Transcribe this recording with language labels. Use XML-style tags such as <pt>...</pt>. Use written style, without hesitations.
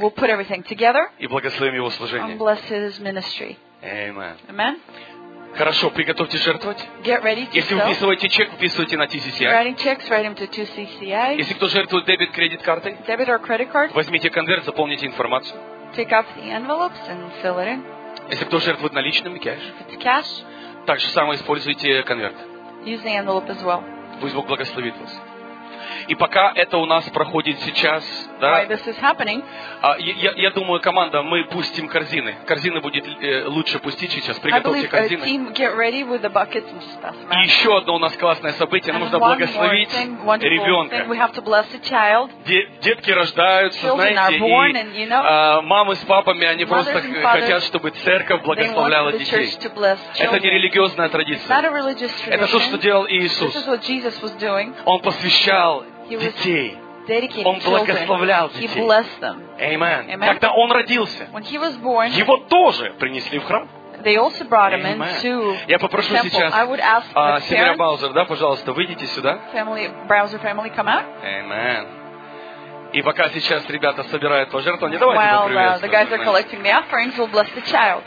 <en>We'll put everything together.</en> <ru>И благословим его служение.</ru> <en>And bless his ministry. Amen.</en> <ru>Хорошо, приготовьте жертвовать.</ru> <en>Get ready to</en> <ru>Если выписываете чек, выписывайте на TCCI.</ru> <en>Writing checks, write them to TCCI.</en> <ru>Если кто жертвует дебет, кредит картой.</ru> <en>Debit or credit card.</en> <ru>Возьмите конверт, заполните информацию.</ru> <en>Take out the envelopes and fill it in.</en> <ru>Если кто жертвует наличными, кэш.</ru> <en>It's cash.</en> <ru>Так же самое используйте конверт.</ru> <en>Use the envelope as well.</en> <ru>Пусть Бог благословит вас. И пока это у нас проходит сейчас, да?</ru> <en>Why this is happening?</en> <ru>Я думаю, команда, мы пустим корзины. Корзины будет лучше пустить сейчас. Приготовьте</ru> <en>I believe,</en> <ru>корзины.</ru> <en>Team, get ready with the buckets and just pass them out.</en> <ru>И еще одно у нас классное событие.</ru> <en>And</en> <ru>нужно благословить</ru> <en>thing,</en> <ru>ребенка.</ru> <en>We have to bless a child.</en> <ru>Детки рождаются,</ru> <en>Children</en> <ru>знаете,</ru> <en>are born</en> <ru>и</ru> <en>and, you know,</en> <ru>мамы с папами, они</ru> <en>Mothers</en> <ru>просто хотят, чтобы церковь благословляла</ru> <en>they want the</en> <ru>детей.</ru> <en>To bless children.</en> <ru>Это не религиозная традиция.</ru> <en>It's not a religious tradition.</en> <ru>Это то, что делал Иисус.</ru> <en>This is what Jesus was doing.</en> <ru>Он посвящал детей. Он благословлял детей. Amen. Когда он родился,</ru> <en>born,</en> <ru>его тоже принесли в храм.</ru> <en>Amen.</en> <ru>Я попрошу</ru> <en>temple.</en> <ru>Сейчас семья Баузер, да, пожалуйста, выйдите сюда.</ru> <en>Family, Browser family, come out. Amen.</en> <ru>И пока сейчас ребята собирают пожертвования, давайте поприветствуем.</ru> <en>While the guys are collecting the offerings, we'll bless the child.</en>